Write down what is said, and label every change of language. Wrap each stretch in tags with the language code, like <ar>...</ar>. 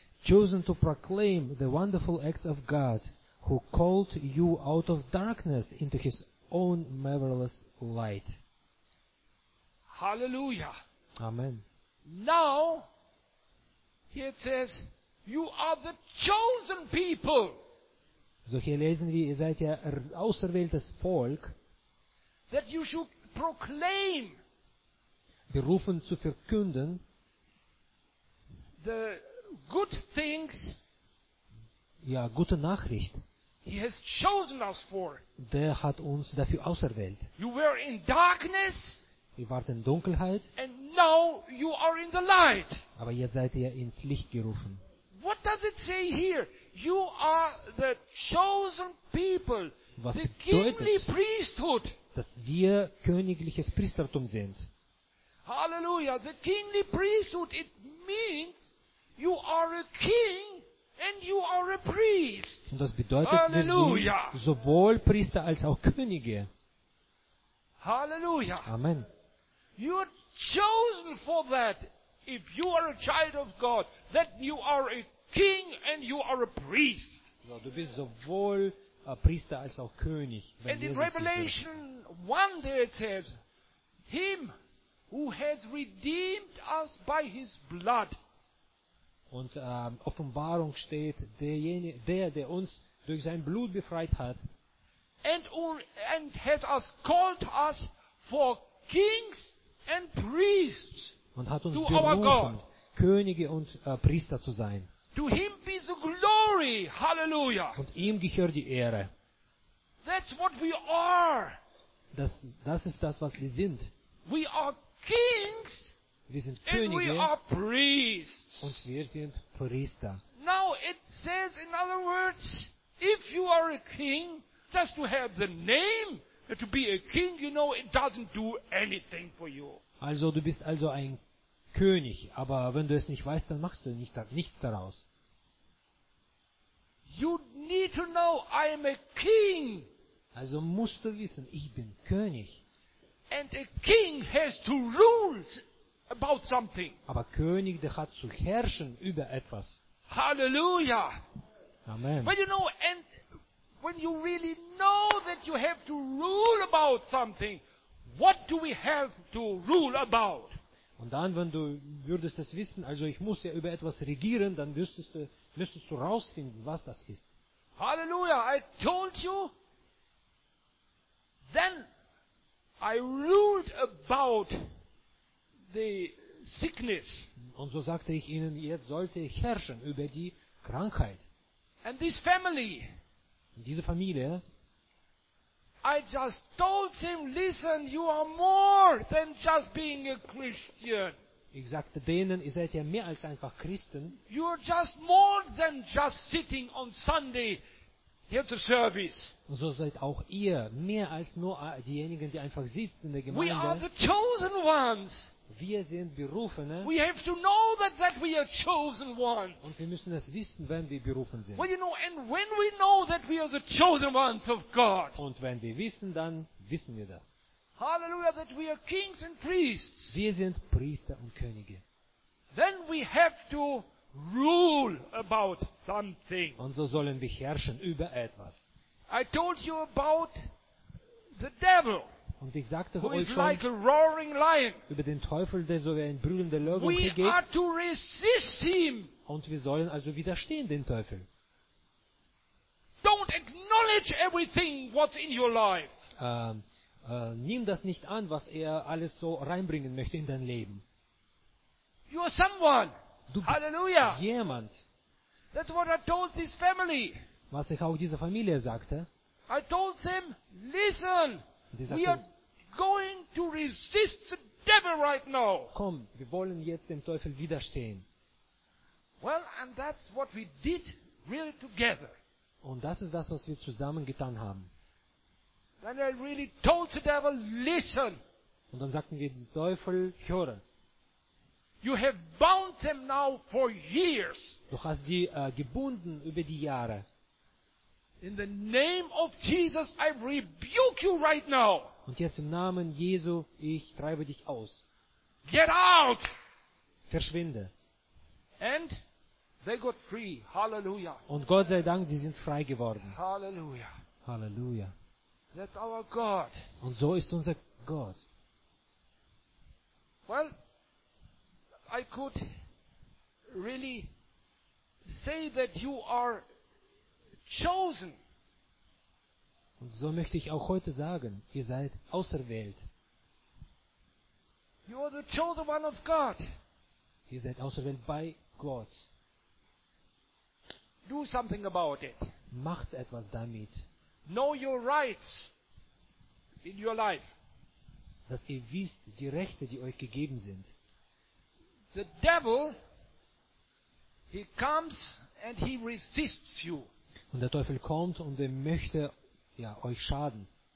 <en>Chosen to proclaim the wonderful acts of God, who called you out of darkness into his own marvelous light. Hallelujah. Amen. Now, here it says, you are the chosen people.</en> <de>So hier lesen wir, ihr seid ja auserwähltes Volk.</de> <en>That you should proclaim.</en> <de>Berufen zu verkünden.</de> <en>The good things.</en> <de>Ja, gute Nachricht.</de> <en>He has chosen us for.</en> <de>Der hat uns dafür auserwählt.</de> <en>You were in darkness.</en> <de>Ihr wart in Dunkelheit.</de> <en>And now you are in the light.</en> <de>Aber jetzt seid ihr ins Licht gerufen.</de> <en>What does it say here? You are the chosen people,</en> <de>was</de> <en>the kingly priesthood.</en> <de>Dass wir königliches Priestertum sind.</de> <en>Hallelujah. The kingly priesthood, it means you are a king and you are a priest.</en> <de>Und das bedeutet, Halleluja. Wir sind sowohl Priester als auch Könige. Halleluja. Amen.</de> <en>You are chosen for that. If you are a child of God, then you are a king and you are a priest.</en> <de>So, du bist sowohl Priester als auch König.</de> <en>And in Revelation 1 there it says, him who has redeemed us by his blood.</en> <de>Und Offenbarung steht, der uns durch sein Blut befreit hat.</de> <en>And has us called us for kings and priests.</en> <de>Und hat uns berufen, Könige und Priester zu sein.</de> <en>To him be the glory. Halleluja.</en> <de>Und ihm gehört die Ehre.</de> <en>That's what we are.</en> <de>Das ist das, was wir sind.</de> <en>We are kings,</en> <de>wir sind Könige</de> <en>and we are priests.</en> <de>Und wir sind Priester.</de> <en>Now it says in other words, if you are a king, just to have the name, to be a king, you know, it doesn't do anything for you.</en> <de>Also, du bist also ein König, aber wenn du es nicht weißt, dann machst du nichts daraus.</de> <en>You need to know, I am a king.</en> <de>Also musst du wissen, ich bin König.</de> <en>And a king has to rule about something.</en> <de>Aber König, der hat zu herrschen über etwas. Halleluja! Amen.</de> <en>But you know, and when you really know that you have to rule about something, what do we have to rule about?</en> <de>Und dann, wenn du würdest es wissen, also ich muss ja über etwas regieren, dann müsstest du rausfinden, was das ist.</de> <en>Halleluja, I told you. Then I ruled about the sickness.</en> <de>Und so sagte ich ihnen, jetzt sollte ich herrschen über die Krankheit.</de> <en>And this family.</en> <de>Und diese Familie.</de> <en>I just told him, listen, you are more than just being a Christian.</en> <de>Ich sagte denen, ihr seid ja mehr als einfach Christen.</de> <en>You are just more than just sitting on Sunday here to service.</en> <de>So seid auch ihr mehr als nur diejenigen, die einfach sitzen in der Gemeinde.</de> <en>We are the chosen ones.</en> <de>wir sind Berufene.</de> <en>We have to know that we are chosen ones.</en> <de>Und wir müssen es wissen, wenn wir berufen sind.</de> <en>Well, you know, and when we know that we are the chosen ones of God.</en> <de>Und wenn wir wissen, dann wissen wir das.</de> <en>Hallelujah, that we are kings and priests.</en> <de>Wir sind Priester und Könige.</de> <en>Then we have to rule about something.</en> <de>Und so sollen wir herrschen über etwas.</de> <en>I told you about the devil.</en> <de>Und ich sagte euch schon,</de> <en>like a roaring lion.</en> <de>Über den Teufel, der so wie ein brüllender Löwe geht.</de> <en>We are to resist him.</en> <de>Und wir sollen also widerstehen dem Teufel.</de> <en>Don't acknowledge everything what's in your life.</en> <de>Nimm das nicht an, was er alles so reinbringen möchte in dein Leben.</de> <en>You are someone.</en> <de>Du bist Halleluja. Jemand.</de> <en>That's what I told this family.</en> <de>Was ich auch dieser Familie sagte.</de> <en>I told them, listen.</en> <de>Sagten,</de> <en>we are going to resist the devil right now.</en> <de>Komm, wir wollen jetzt dem Teufel widerstehen.</de> <en>Well, and that's what we did really together.</en> <de>Und das ist das, was wir zusammen getan haben.</de> <en>Then I really told the devil, listen.</en> <de>Und dann sagten wir dem Teufel, höre.</de> <en>You have bound them now for years.</en> <de>Du hast sie gebunden über die Jahre.</de> <en>In the name of Jesus, I rebuke you right now.</en> <de>Und jetzt im Namen Jesu, ich treibe dich aus.</de> <en>Get out.</en> <de>Verschwinde.</de> <en>And they got free. Hallelujah.</en> <de>Und Gott sei Dank, sie sind frei geworden.</de> <en>Hallelujah. Hallelujah. That's our God.</en> <de>Und so ist unser Gott.</de> <en>Well, I could really say that you are chosen.</en> <de>Und so möchte ich auch heute sagen, ihr seid auserwählt.</de> <en>You are the chosen one of God.</en> <de>Ihr seid auserwählt bei Gott.</de> <en>Do something about it.</en> <de>Macht etwas damit.</de> <en>Know your rights in your life.</en> <de>Dass ihr wisst, die Rechte, die euch gegeben sind.</de> <en>The devil, he comes and he resists you.</en> <de>Und der Teufel kommt und er möchte ja, euch schaden.</de>